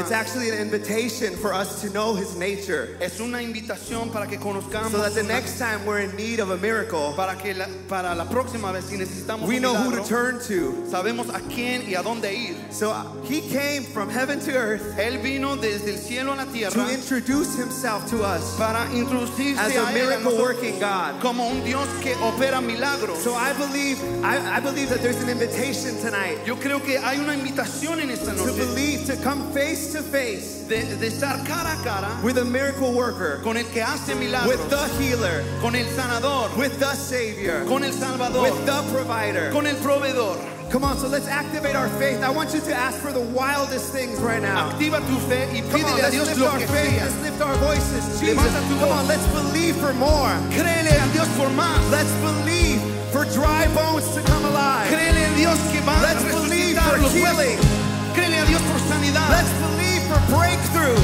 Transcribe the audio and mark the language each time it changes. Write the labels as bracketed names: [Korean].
[English] It's actually an invitation for us to know His nature. [Spanish] Es una invitación para que conozcamos, [English] so that the next time we're in need of a miracle, [Spanish] para que para la próxima vez, si necesitamos [English] we know who to turn to. [Spanish] Sabemos a quién y a dónde ir. [English] So He came from heaven to earth. [Spanish] Él vino desde el cielo a la tierra [English] to introduce Himself to us [Spanish] para introducirse [English] as a miracle-working God. [Spanish] Como un Dios que opera milagros. [English] So I believe that there's an invitation tonight. [Spanish] Yo creo que hay una invitación en esta noche. [English] To believe, to come face to face [Spanish] de estar cara a cara [English] with a miracle worker, [Spanish] con el que hace milagros, [English] with the healer, [Spanish] con el sanador, [English] with the savior, [Spanish] con el salvador, [English] with the provider, [Spanish] con el proveedor. [English] Come on, so let's activate our faith. I want you to ask for the wildest things right now. [Spanish] Activa tu fe y pídele a Dios lo que [English] sea. Come on, let's lift our faith. Let's lift our voices. Jesus, come on, let's believe for more. [Spanish] Créele a Dios por más. [English] Let's believe for dry bones to come alive. [Spanish] Créele a Dios que va a resucitar. [English] Let's believe for healing. [Spanish] Créele a Dios por sanidad. [English] Let's believe for breakthrough.